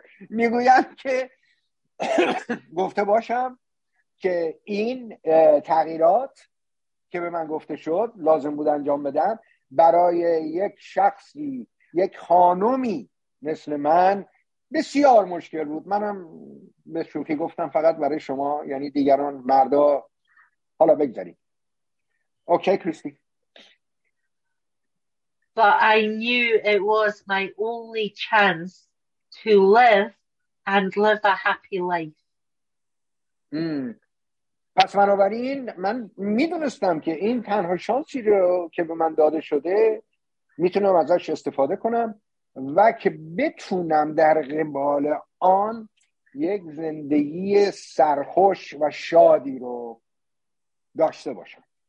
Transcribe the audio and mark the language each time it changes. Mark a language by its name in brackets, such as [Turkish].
[Persian] میگویم که گفته باشم که این تغییرات که به من گفته شد لازم بود انجام بدم برای یک شخصی، یک خانومی مثل من بسیار مشکل بود. منم به شوخی گفتم فقط برای شما، یعنی دیگران مردا حالا بگذاریم. اوکی کریستی. [English] But I knew it was my only chance to live and live a happy life. [Persian] پس بنابراین من میدونستم که این تنها شانسی رو که به من داده شده میتونم ازش استفاده کنم و که بتونم در قبال آن یک زندگی سرخوش و شادی رو داشته باشم.